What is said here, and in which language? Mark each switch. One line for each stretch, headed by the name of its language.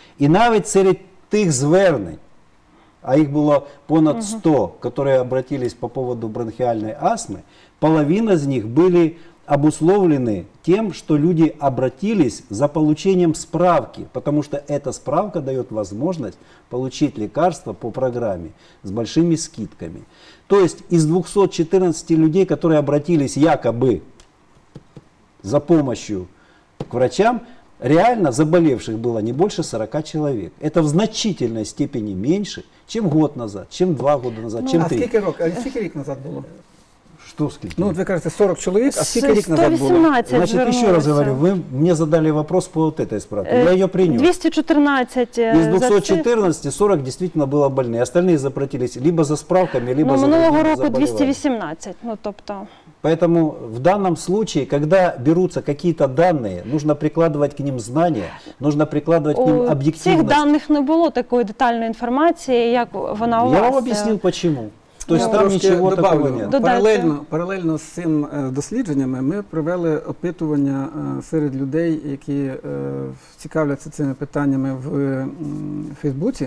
Ukrainian: І навіть серед тих звернень, а їх було понад 100, які обратились
Russian: по поводу
Ukrainian: бронхіальної астми, половина з них були обусловлені тим, що люди обратились за отриманням справки, тому що ця справка дає можливість отримати лікарство по програмі з великими скидками. Тобто, із 214 людей, які обратились якоби
Russian: за помощью к врачам, реально заболевших было не больше 40 человек. Это в значительной степени меньше, чем год назад, чем два года назад, чем три. Сколько лет назад было? Что сколько? Ну, вы кажется, 40 человек, а сколько лет назад было? 118. Значит, вернулся. Еще раз говорю, вы мне задали вопрос по вот этой справке. Я ее принес. 214. Из 214 40 действительно было больные. Остальные запротились либо за справками, либо за другими заболеваниями.
Ukrainian: Ну, минулого года 218. Ну, тобто...
Russian: Поэтому в данном случае, когда берутся какие-то данные, нужно прикладывать к ним знания, нужно прикладывать к ним объективность.
Ukrainian: У цих даних не було такої детальної інформації, як вона у вас. Я вам об'яснив, чому.
Russian: То есть
Ukrainian: там нічого такого нет. Паралельно з цим дослідженнями ми провели опитування серед людей, які цікавляться цими питаннями в Фейсбуці.